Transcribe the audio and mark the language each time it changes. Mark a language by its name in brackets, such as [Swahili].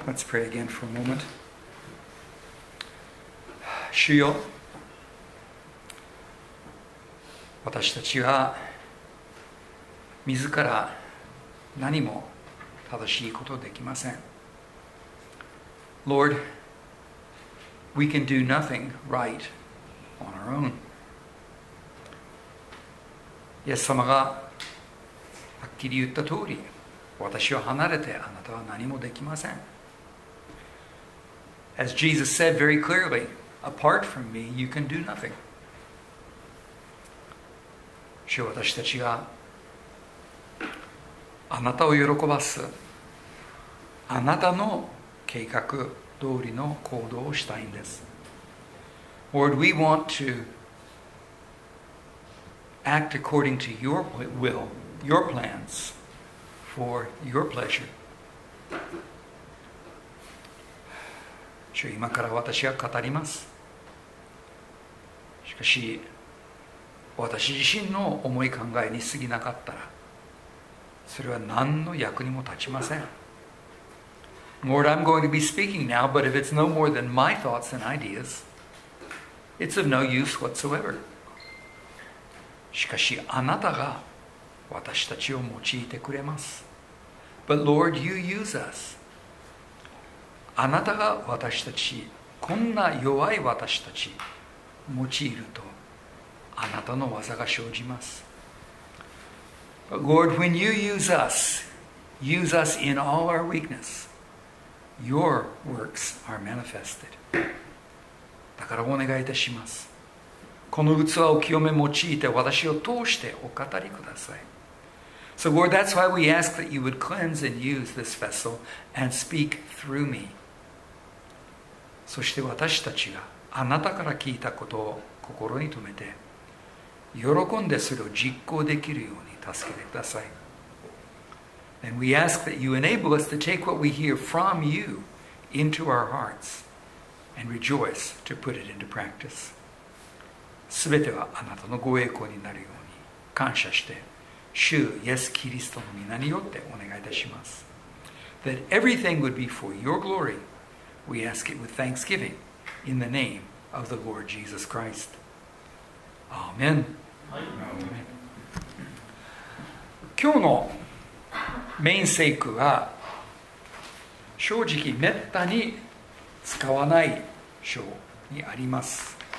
[English] Let's pray again for a moment. [Japanese] 主よ、私たちは自ら何も正しいことできません。 [English] Lord, we can do nothing right on our own. [Japanese] イエス様がはっきり言った通り、私を離れてあなたは何もできません。 [English] As Jesus said very clearly, apart from me, you can do nothing. [Japanese] 主よ、私たちがあなたを喜ばす、あなたの計画通りの行動をしたいんです。 [English] Lord, we want to act according to your will, your plans. For your pleasure. [Japanese] 主、今から私は語ります。しかし、私自身の思い考えに過ぎなかったら、それは何の役にも立ちません。 [English] Lord, I'm going to be speaking now, but if it's no more than my thoughts and ideas, it's of no use whatsoever. [Japanese] しかし、あなたが私たちを用いてくれます。 [English] But Lord, you use us. [Japanese] あなたが私たち、こんな弱い私たち、用いると、あなたの技が生じます。 [English] But Lord, when you use us in all our weakness, your works are manifested. [Japanese] だからお願いいたします。この器を清め用いて、私を通してお語りください。 [English] So Lord, that's why we ask that you would cleanse and use this vessel and speak through me. [Japanese] そして私たちがあなたから聞いたことを心に留めて、喜んでそれを実行できるように助けてください。 [English] And we ask that you enable us to take what we hear from you into our hearts and rejoice to put it into practice. [Japanese] すべてはあなたのご栄光になるように感謝して、主イエスキリストの御名によってお願いいたします。 [English] That everything would be for your glory, we ask it with thanksgiving in the name of the Lord Jesus Christ. Amen. Amen. [Japanese] 今日のメイン聖句は、正直めったに使わない章にあります。